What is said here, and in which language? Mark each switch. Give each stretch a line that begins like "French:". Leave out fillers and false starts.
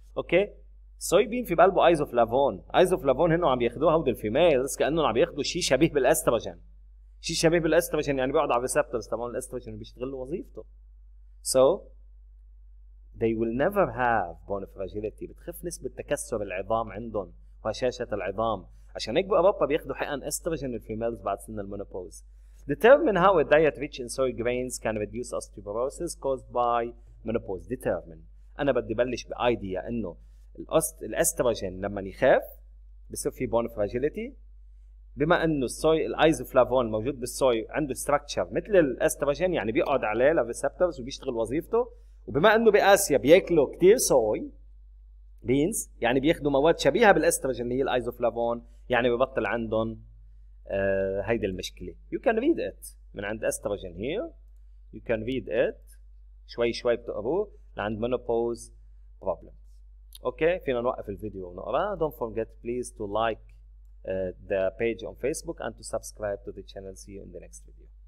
Arabic: اوكي صويبين في بقلبه ايزوفلافون ايزوفلافون هنو عم بياخدوها هود الفيميلز كأنه عم بياخدوا شيء شبيه بالاستروجين شيء شبيه بالاستروجين يعني بيقعد على الريسبتورز تبعون الاستروجين بيشتغل وظيفته.
English: So they will never have bone fragility
Arabic: بتخف نسبة تكسر العظام عندهم وهشاشة العظام عشان هيك بأوروبا بياخدوا حقن استروجين الفيميلز بعد سن المونوبوز.
English: Determine how a diet rich in soy grains can reduce osteoporosis caused by menopause. Determine
Arabic: انا بدي بلش بايديا انه الاستروجين لما يخاف بصير في بون فراجيليتي بما انه الصوي الايزوفلافون موجود بالصوي عنده ستراكشر مثل الاستروجين يعني بيقعد عليه للريسبتورز وبيشتغل وظيفته وبما انه باسيا بياكلوا كتير صوي بينز يعني بياخذوا مواد شبيهه بالاستروجين اللي هي الايزوفلافون يعني ببطل عندهم هيدي المشكله.
English: you can read it
Arabic: من عند
English: oestrogen here you can read it
Arabic: شوي شوي بتقروه لعند
English: Menopause problem.
Arabic: اوكي فينا نوقف الفيديو ونقرا.
English: Don't forget please to like the page on Facebook and to subscribe to the channel. See you in the next video.